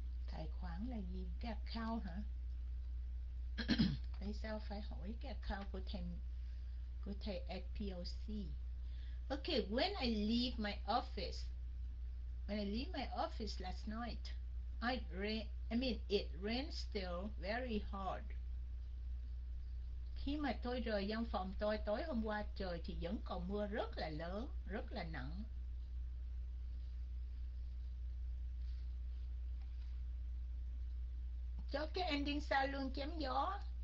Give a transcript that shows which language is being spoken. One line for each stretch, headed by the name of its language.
Vietnamese: Tài khoản là gì? Cái account hả? Tại sao phải hỏi cái account của thầy at POC?
English: Okay, when I leave my office, when I leave my office last night, it rained still very hard.
Vietnamese: Khi mà tôi rời văn phòng tôi tối hôm qua, trời thì vẫn còn mưa rất là lớn, rất là nặng. Cho cái ending sao luôn, chém gió.